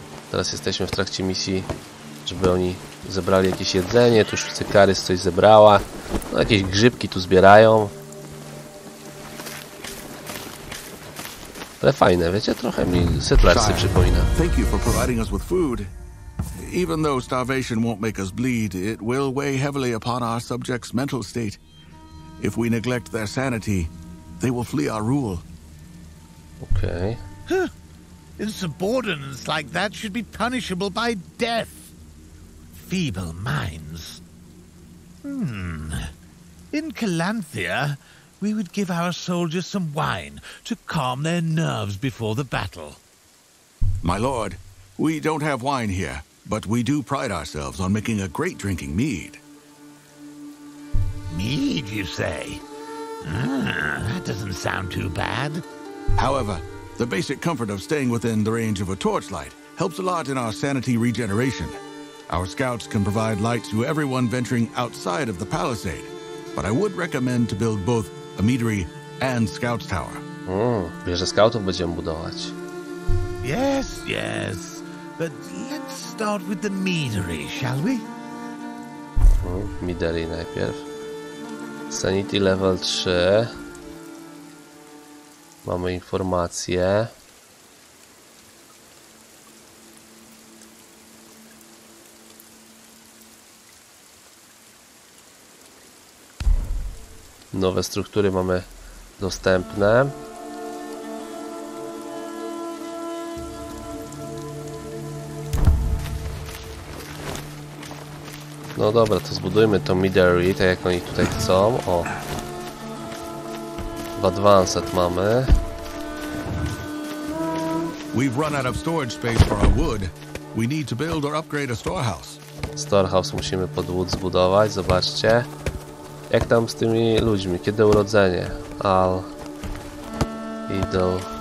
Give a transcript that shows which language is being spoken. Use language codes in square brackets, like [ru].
[pl] Teraz jesteśmy w trakcie misji, żeby oni zebrali jakieś jedzenie. Tu już Cykarys coś zebrała. No, jakieś grzybki tu zbierają. Ale fajne, wiecie, trochę mi Settlersy przypomina. Dziękuję za zaproponowanie nam jedzenia. [en] Even though starvation won't make us bleed, it will weigh heavily upon our subjects' mental state. If we neglect their sanity, they will flee our rule. Okay. Insubordinates like that should be punishable by death. Feeble minds. In Calanthea, we would give our soldiers some wine to calm their nerves before the battle. My lord, we don't have wine here, but we do pride ourselves on making a great drinking mead. Mead, you say? That doesn't sound too bad. However, the basic comfort of staying within the range of a torchlight helps a lot in our sanity regeneration. Our scouts can provide light to everyone venturing outside of the palisade, but I would recommend to build both a meadery and scouts tower. [pl] Bierze scoutów będziemy budować. [en] Yes, yes. But let's start with the meadery, shall we? [pl] Meadery najpierw. [en] Sanity level 3. [pl] Mamy informacje. Nowe struktury mamy dostępne. No dobra, to zbudujmy to Midori, tak jak oni tutaj chcą. O. W Advanced mamy. [en] We've run out of storage space for our wood. We need to build or upgrade a storehouse. [pl] Storehouse musimy pod wood zbudować, zobaczcie. Jak tam z tymi ludźmi? Kiedy urodzenie? Al. Idol.